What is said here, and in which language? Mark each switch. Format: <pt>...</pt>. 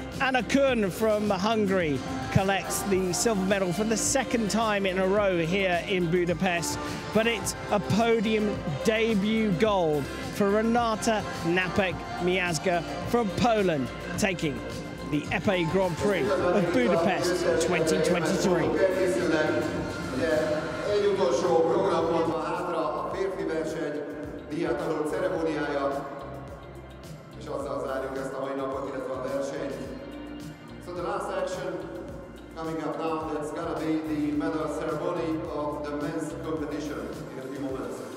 <en>Anna Kuhn from Hungary collects the silver medal for the second time in a row here in Budapest. But it's a podium debut gold for Renata Napek-Miazga from Poland, taking the EPE Grand Prix of Budapest 2023.</en> <hu>Egy utolsó programban van hátra a férfi verseny díjátadó ceremóniája, és azzal zárjuk ezt a mai napot, illetve a versenyt.</hu> <en>So the last action coming up now, that's gonna be the medal ceremony of the men's competition in a few moments.</en>